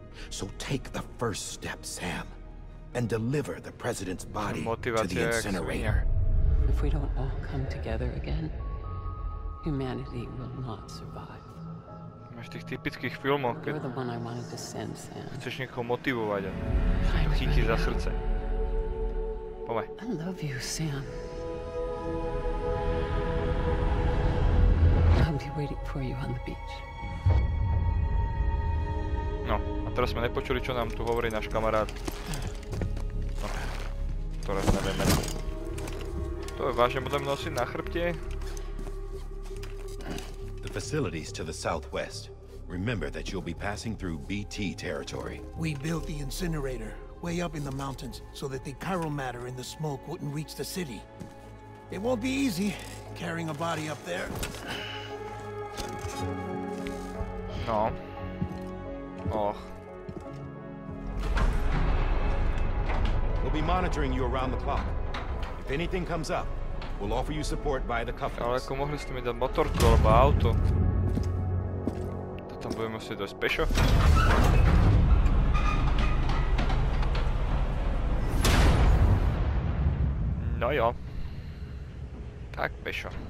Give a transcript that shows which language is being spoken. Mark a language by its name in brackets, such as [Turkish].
[English] So take the first step, Sam, and deliver the president's body to the incinerator. If we don't all come together again, humanity will not survive. [Slovak] Máš tých typických filmov, [English] keď... You're the one I wanted to send, Sam. [Slovak] Chceš niekoho motivovať a chytiť za srdce. Poďme. [English] I love you, Sam. I'll be waiting for you on the beach. [Slovak] No, a teraz sme nepočuli, čo nám tu hovorí náš kamarát. No, teraz nevieme. To je vážne, budem nosiť na chrbte. [English] The facilities to the southwest. Remember that you'll be passing through BT territory. We built the incinerator way up in the mountains so that the chiral matter in the smoke wouldn't reach the city. It won't be easy carrying a body up there. No. Oh. We'll be monitoring you around the clock. If anything comes up, we'll offer you support by the cuff. [Slovak] Ale ako mohli ste mi dať motorku alebo auto? To tam budeme si dosť pešo. No jo. Tak pešo.